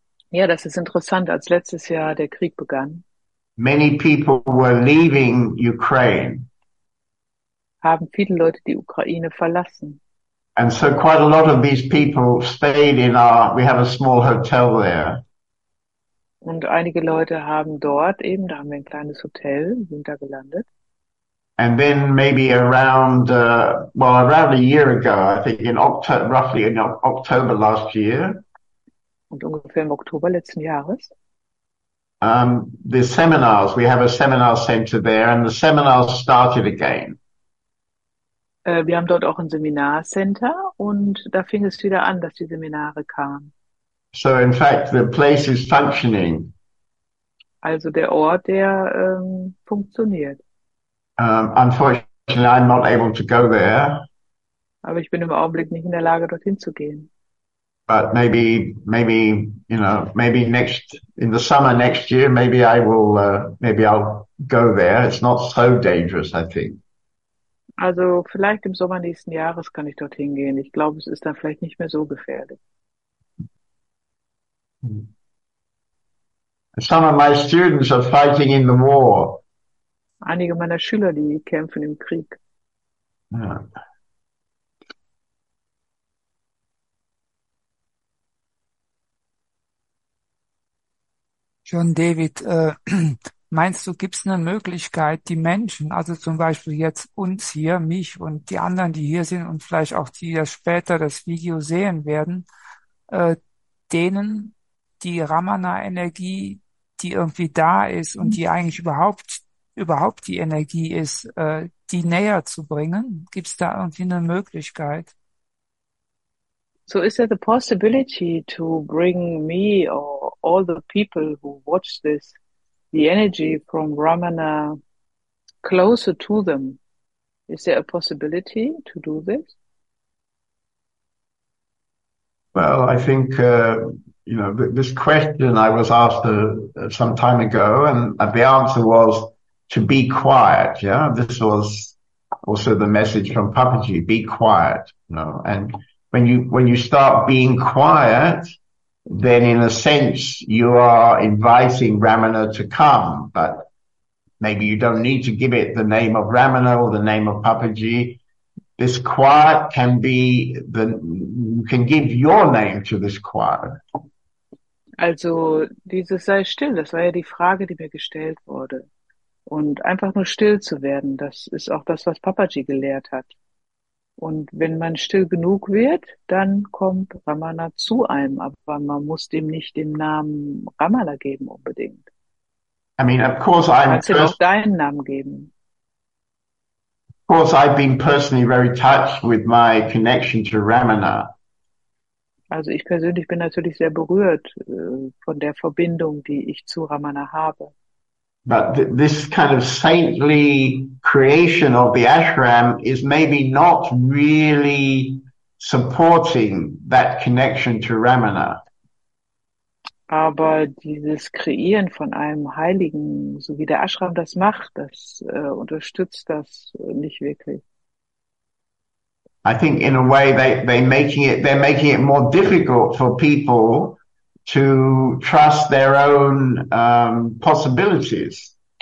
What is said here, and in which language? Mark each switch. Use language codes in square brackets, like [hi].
[de] Ja, das ist interessant. Als letztes Jahr der Krieg begann. [en] Many people were leaving Ukraine. [de] Haben viele Leute die Ukraine verlassen. [en] And so quite a lot of these people stayed in we have a small hotel there. [de] Und einige Leute haben dort eben, da haben wir ein kleines Hotel, sind da gelandet. [en] And then maybe around a year ago, I think in October, roughly in October last year. [de] Und ungefähr im Oktober letzten Jahres. [en] The seminars, we have a seminar center there and the seminars started again. [de] Wir haben dort auch ein Seminarcenter und da fing es wieder an, dass die Seminare kamen. [en] So in fact the place is functioning. [de] Also der Ort, der funktioniert. [en] Unfortunately I'm not able to go there. [de] Aber ich bin im Augenblick nicht in der Lage, dorthin zu gehen. [en] But maybe next in the summer next year maybe I will maybe I'll go there. It's not so dangerous, I think. [de] Also vielleicht im Sommer nächsten Jahres kann ich dorthin gehen. Ich glaube, es ist dann vielleicht nicht mehr so gefährlich. [en] Some of my students are fighting in the war. [de] Einige meiner Schüler, die kämpfen im Krieg. Ja. John David, meinst du, gibt's eine Möglichkeit, die Menschen, also zum Beispiel jetzt uns hier, mich und die anderen, die hier sind und vielleicht auch die, die später das Video sehen werden, denen die Ramana-Energie, die irgendwie da ist und die eigentlich überhaupt die Energie ist, die näher zu bringen? Gibt's da irgendwie eine Möglichkeit? [en] So is there the possibility to bring me or all the people who watch this the energy from Ramana closer to them? Is there a possibility to do this? Well, I think, this question I was asked some time ago, and the answer was to be quiet. Yeah, this was also the message from Papaji, be quiet. You know? And when you start being quiet, then in a sense you are inviting Ramana to come, but maybe you don't need to give it the name of Ramana or the name of Papaji. This quiet can be you can give your name to this quiet. [de] Also dieses sei still, das war ja die Frage, die mir gestellt wurde. Und einfach nur still zu werden, das ist auch das, was Papaji gelehrt hat. Und wenn man still genug wird, dann kommt Ramana zu einem, aber man muss dem nicht den Namen Ramana geben unbedingt. [en] I mean, of course I'm. [de] Kannst du auch deinen Namen geben? [en] Of course, I've been personally very touched with my connection to Ramana. [de] Also ich persönlich bin natürlich sehr berührt von der Verbindung, die ich zu Ramana habe. [en] But this kind of saintly creation of the ashram is maybe not really supporting that connection to Ramana. [de] Aber dieses Kreieren von einem Heiligen, so wie der Ashram das macht, das unterstützt das nicht wirklich. [en] I think in a way they're making it more difficult for people to trust their own possibilities.